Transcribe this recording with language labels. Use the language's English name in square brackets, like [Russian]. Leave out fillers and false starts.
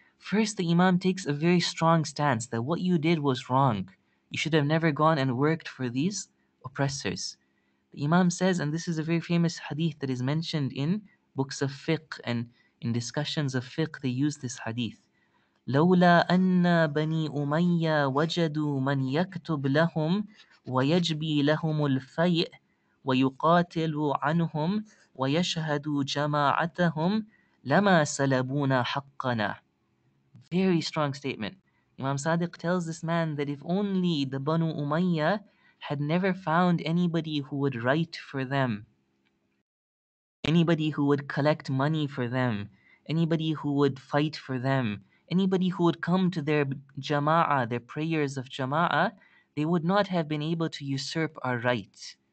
[English] First, the imam takes a very strong stance that what you did was wrong. You should have never gone and worked for these oppressors. The imam says, and this is a very famous hadith that is mentioned in books of fiqh and in discussions of fiqh, they use this hadith. [Arabic] لولا أن بني أمية وجدوا من يكتب لهم ويجبي لهم الفيء ويقاتل عنهم ويشهد جماعتهم لما سلبونا حقنا. [English] Very strong statement. Imam Sadiq tells this man that if only the Banu Umayya had never found anybody who would write for them, anybody who would collect money for them, anybody who would fight for them, anybody who would come to their jama'ah, their prayers of jama'ah, they would not have been able to usurp our right.